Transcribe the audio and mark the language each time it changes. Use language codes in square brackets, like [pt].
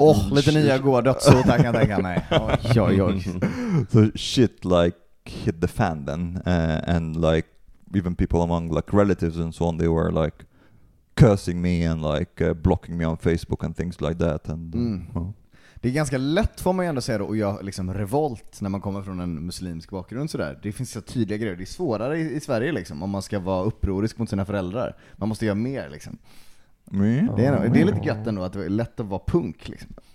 [sv] Lite nya goa dödsot här, kan jag tänka mig. Oj, oj, oj. [en] So shit like hit the fan then, and like even people among like relatives and so on, they were like cursing me and like blocking me on Facebook and things like that. And [sv] Det är ganska lätt, får man ju ändå säga då, och jag liksom revolt när man kommer från en muslimsk bakgrund så där. Det finns så tydliga grejer. Det är svårare i Sverige liksom, om man ska vara upprorisk mot sina föräldrar. Man måste göra mer liksom. Det är lite gött ändå att det är lätt att vara punk liksom.